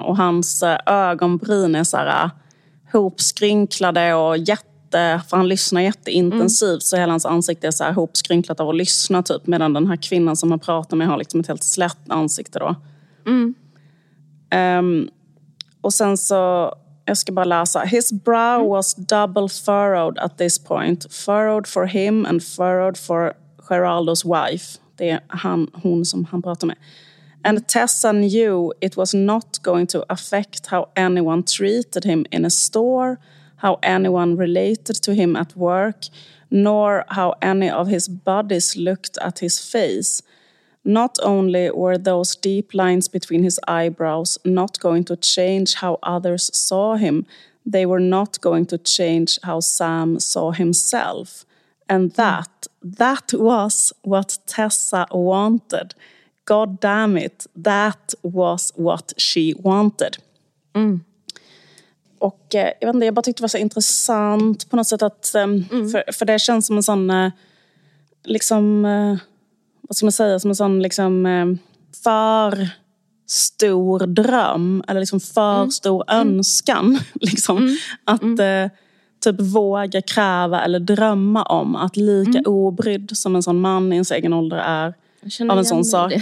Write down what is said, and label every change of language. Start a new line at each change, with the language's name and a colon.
Swedish: Och hans ögonbryn är så här hopskrynklade och jätte... För han lyssnar jätteintensivt. Mm. Så hela hans ansikte är så här hopskrynklat av att lyssna typ. Medan den här kvinnan som han pratar med har liksom ett helt slätt ansikte då. Mm. Och sen så... Jag ska bara läsa.
English: His brow was double furrowed at this point. Furrowed for him and furrowed for Geraldo's wife.
Swedish: Det är hon som han pratar med.
English: And Tessa knew it was not going to affect how anyone treated him in a store, how anyone related to him at work, nor how any of his buddies looked at his face. Not only were those deep lines between his eyebrows not going to change how others saw him, they were not going to change how Sam saw himself. And that was what Tessa wanted. God damn it, that was what she wanted. Mm.
Swedish: Och jag vet inte, jag bara tyckte det var så intressant på något sätt att... För det känns som en sån... Vad ska man säga, som en sån liksom för stor dröm eller liksom för stor önskan liksom, att typ våga kräva eller drömma om att lika obrydd som en sån man i ens egen ålder är av en sån sak.